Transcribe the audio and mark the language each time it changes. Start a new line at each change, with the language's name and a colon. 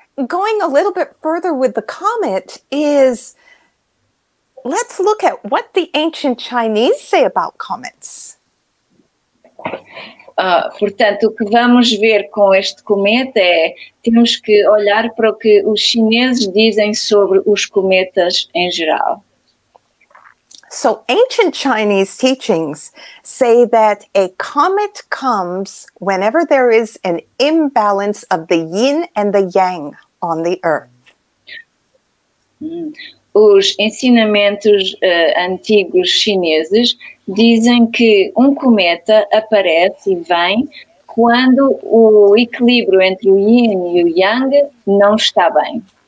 English: Going a little bit further with the comet is, let's look at what the ancient Chinese say about comets.
Portuguese: Portanto, o que vamos ver com este cometa é, temos que olhar para o que os chineses dizem sobre os cometas em geral.
English: So, ancient Chinese teachings say that a comet comes whenever there is an imbalance of the yin and the yang on the earth.
Portuguese: Os ensinamentos antigos chineses dizem que um cometa aparece e vem quando o equilíbrio entre o yin e o yang não está bem.